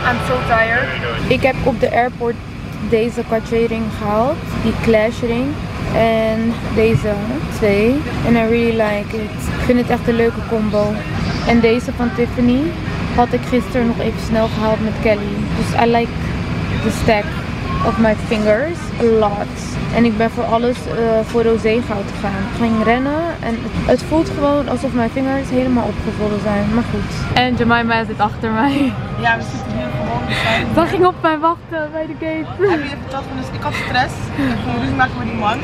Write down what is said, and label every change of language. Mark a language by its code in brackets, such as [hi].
[en] I'm so tired. [nl] Ik heb op de airport deze Cartier ring gehaald. Die Clash ring. En deze 2. En [en] I really like it. [nl] Ik vind het echt een leuke combo. En deze van Tiffany had ik gisteren nog even snel gehaald met Kelly. [en] Dus I like the stack of my fingers a lot. [nl] En ik ben voor alles voor rosé goud gegaan. Ik ging rennen en het voelt gewoon alsof mijn vingers helemaal opgevallen zijn. Maar goed. En Jemima zit achter mij. Ja, we zitten hier gewoon. Dat ging op mij wachten bij de gate. Heb je verteld van dus ik had stress. Ik ging ruzie maken met die man.